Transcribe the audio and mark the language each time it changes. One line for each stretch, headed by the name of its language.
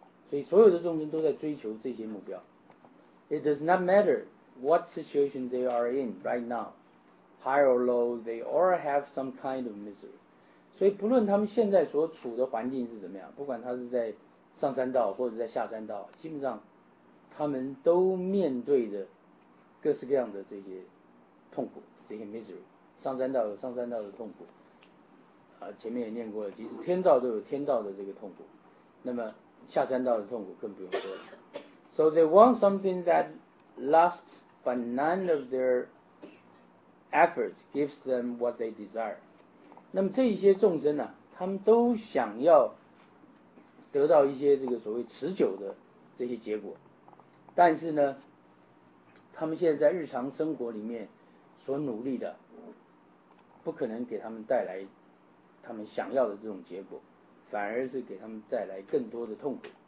Chinese: 所以所有的众生都在追求这些目标。
English: It does not matter what situation they are in right now, high or low, they all have some kind of misery.
Chinese: 所以不论他们现在所处的环境是怎么样，不管他是在上山道或者在下山道，基本上他们都面对着各式各样的这些痛苦，这些 misery。上山道有上山道的痛苦，前面也念过了，即使天道都有天道的这个痛苦，那么下山道的痛苦更不用说了。
English: So they want something that lasts, but none of their efforts gives them what they desire.
Chinese: 那么这些众生啊，他们都想要得到一些这个所谓持久的这些结果，但是呢，他们现在在日常生活里面所努力的。不可能给他们带来他们想要的这种结果，反而是给他们带来更多的痛苦。